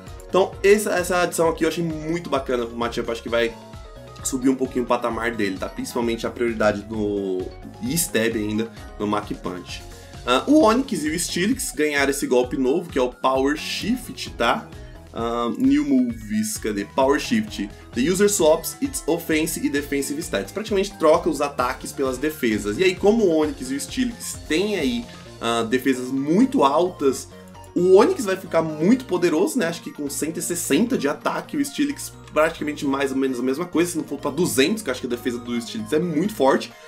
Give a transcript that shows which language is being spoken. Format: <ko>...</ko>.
<pt>Então, essa adição aqui eu achei muito bacana pro Machamp. Acho que vai subir um pouquinho o patamar dele, tá? Principalmente a prioridade do E-Stab ainda no Mach Punch. O Onix e o Steelix ganharam esse golpe novo, que é o Power Shift, tá? New Moves, cadê? Power Shift.</pt> <en>The user swaps its offense e defensive stats.</en> <pt>Praticamente troca os ataques pelas defesas. E aí, como o Onix e o Steelix têm aí defesas muito altas, o Onix vai ficar muito poderoso, né? Acho que com 160 de ataque, o Steelix praticamente mais ou menos a mesma coisa, se não for pra 200, que eu acho que a defesa do Steelix é muito forte.</pt>